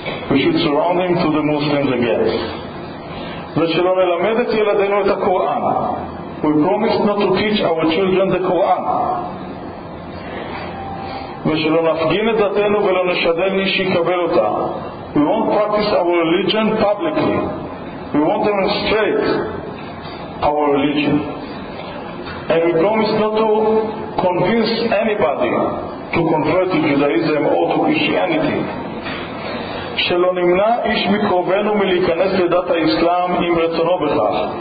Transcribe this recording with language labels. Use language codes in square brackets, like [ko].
[en] We should surround him to the Muslims again. [he] ושלא נלמד את ילדינו את הקוראן. [en] We promised not to teach our children the Quran. [he] ושלא נפגין את דתנו ולא נשדל מי שיקבל אותה. [en] We won't practice our religion publicly. We won't demonstrate our religion. And we promise not to convince anybody to convert to Judaism or to Christianity. [he] שלא נמנע איש מקרובנו מלהיכנס לדת האסלאם עם רצונו בכך.